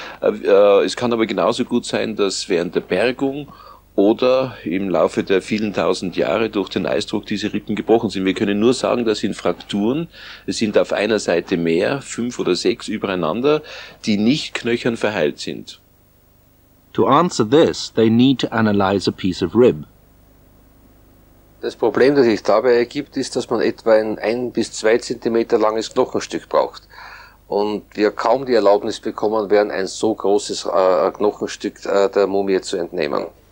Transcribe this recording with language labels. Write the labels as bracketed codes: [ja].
[de] Es kann aber genauso gut sein, dass während der Bergung oder im Laufe der vielen tausend Jahre durch den Eisdruck diese Rippen gebrochen sind. Wir können nur sagen, das sind Frakturen. Es sind auf einer Seite mehr, fünf oder sechs übereinander, die nicht knöchern verheilt sind. [en] To answer this, they need to analyze a piece of rib. [de] Das Problem, das sich dabei ergibt, ist, dass man etwa ein bis zwei Zentimeter langes Knochenstück braucht. Und wir kaum die Erlaubnis bekommen werden, ein so großes Knochenstück der Mumie zu entnehmen.